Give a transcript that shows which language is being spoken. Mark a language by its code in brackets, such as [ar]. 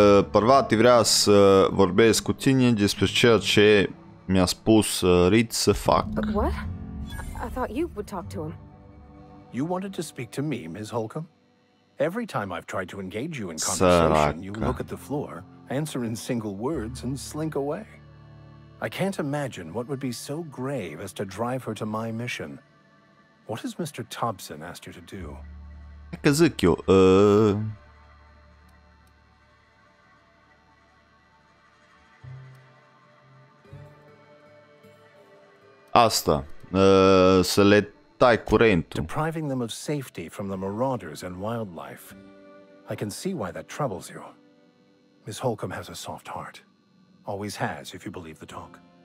[ro] Parvati vrea să vorbesc cu tine despre ceea ce mi-a spus Reed să fac. [en] But what? I thought you would talk to him. You wanted to speak to me, Ms. Holcomb? Every time I've tried to engage you in conversation, you look at the floor, answer in single words, and slink away. I can't imagine what would be so grave as to drive her to my mission. What has Mr. Thompson asked you to do? [ro] Că zic eu, Asta, să le tai curentul. [en] Depriving them of safety from the marauders and wildlife. I can see why that troubles you. Miss Holcomb has a soft heart. Always has, if you believe the talk.